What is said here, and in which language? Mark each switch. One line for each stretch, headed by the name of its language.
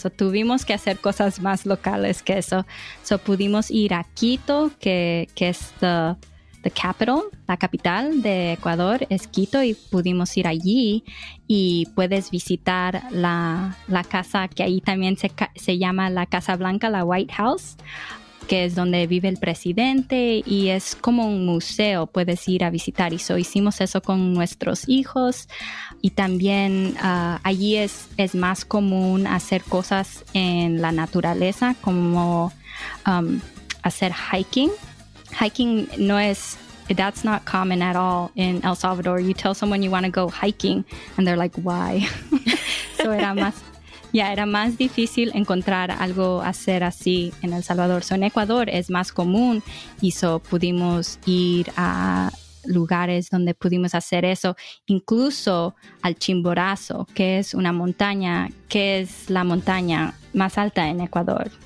Spanish: So tuvimos que hacer cosas más locales que eso. So pudimos ir a Quito, que es
English: the capital,
Spanish: la capital de Ecuador es Quito, y pudimos ir allí y puedes visitar la casa que ahí también se llama la Casa Blanca, la White House, que es donde vive el presidente, y es como un museo, puedes ir a visitar. Y so hicimos eso con nuestros hijos, y también allí es más común hacer cosas en la naturaleza, como hacer hiking.
English: Hiking
Spanish: no es,
English: that's not common at all in El Salvador. You tell someone you want to go hiking and they're like, why?
Spanish: So era más difícil encontrar algo hacer así en El Salvador. So en Ecuador es más común, y so pudimos ir a lugares donde pudimos hacer eso, incluso al Chimborazo, que es una montaña, que es la montaña más alta en Ecuador.